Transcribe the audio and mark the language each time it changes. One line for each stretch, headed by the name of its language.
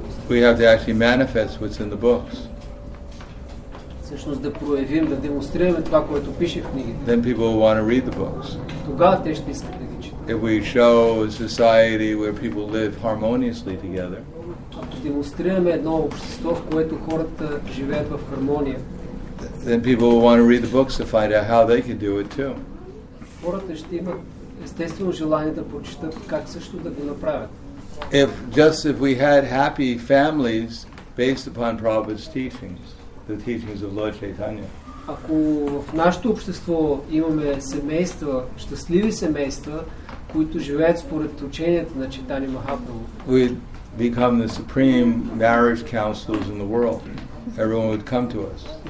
English: We have to actually manifest what's in the books.
Bulgarian: Всъщност да проявим, да демонстрираме това, което пише в книгите.
English: Then people will want to read the books.
Bulgarian: Тогава те ще искат да ги читат.
English: If we show a society where people live harmoniously together.
Bulgarian: Ако демонстрираме едно общество, в което хората живеят в хармония.
English: Then people will want to read the books to find out how they can do it too.
Bulgarian: Хората ще имат естествено желание да прочитат как също да го направят.
English: If we had happy families based upon Prabhupada's teachings. The teachings of Lord Chaitanya.
Bulgarian: Ако в нашето общество имаме семейства, щастливи семейства, които живеят според ученията на Чайтани Махапрабху,
English: we become the supreme marriage counselors in the world. Everyone would come to us.